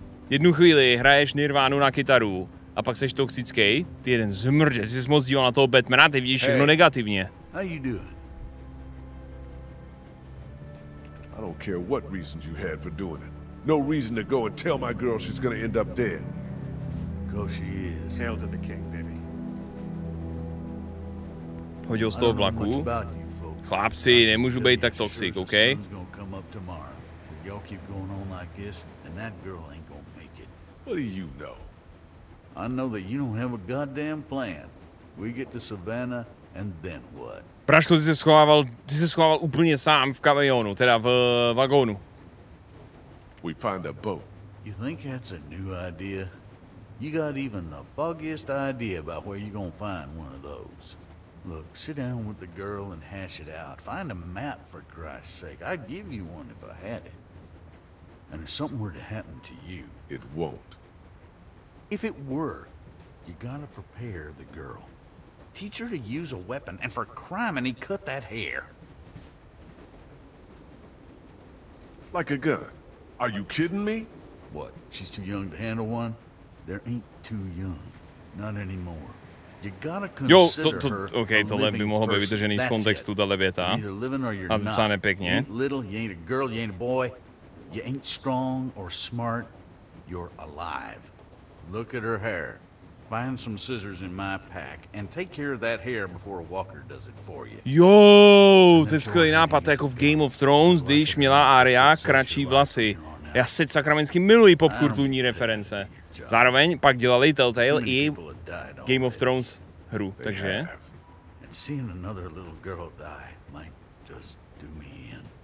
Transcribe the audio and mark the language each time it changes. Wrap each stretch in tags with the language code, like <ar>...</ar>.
<cs>Jednu chvíli hraješ Nirvánu na kytaru a pak seš toxický. Ty jeden zmrdě, jsi moc díval na toho Batmana, ty vidíš všechno negativně.</cs> <en>How you doing? I don't care what reasons you had for doing it. No reason to go and tell my girl she's gonna end up dead. Oh, she is. Hail to the king, baby.</en> <cs>Hodil z toho vlaku. Chlapci, nemůžu být tak toxic, OK?</cs> <en>Y'all keep going on like this, and that girl ain't gonna make it. What do you know? I know that you don't have a goddamn plan. We get to Savannah, and then what?</en> <cs>Praško, ty se schovával úplně sám v kamionu, teda v vagónu.</cs> <en>We find a boat. You think that's a new idea? You got even the foggiest idea about where you're gonna find one of those. Look, sit down with the girl and hash it out. Find a map, for Christ's sake. I'd give you one if I had it. And if something were to happen to you... It won't. If it were, you gotta prepare the girl. Teach her to use a weapon, and for criminy, cut that hair. Like a gun. Are you kidding me? What, she's too young to handle one? There ain't too young, not anymore. You gotta consider her a living person.</en> <cs>Okay, tohle by mohlo být vytržený z kontextu, tahle věta.</cs> <en>Either living or you're not.</en> <cs>Ale pěkně.</cs> <en>You ain't little, you ain't a girl, you ain't a boy. You ain't strong or smart. You're alive. Look at her hair. Find some scissors in my pack and take care of that hair before a walker does it for you.</en> <cs>Jo, to je skvělý nápad, to jako v Game of Thrones, když měla Arya kratší vlasy. Já se sakramensky miluji popkulturní reference. Zároveň pak dělali Telltale i Game of Thrones hru, takže...</cs> <en>And seeing another little girl die might just do me in.</en>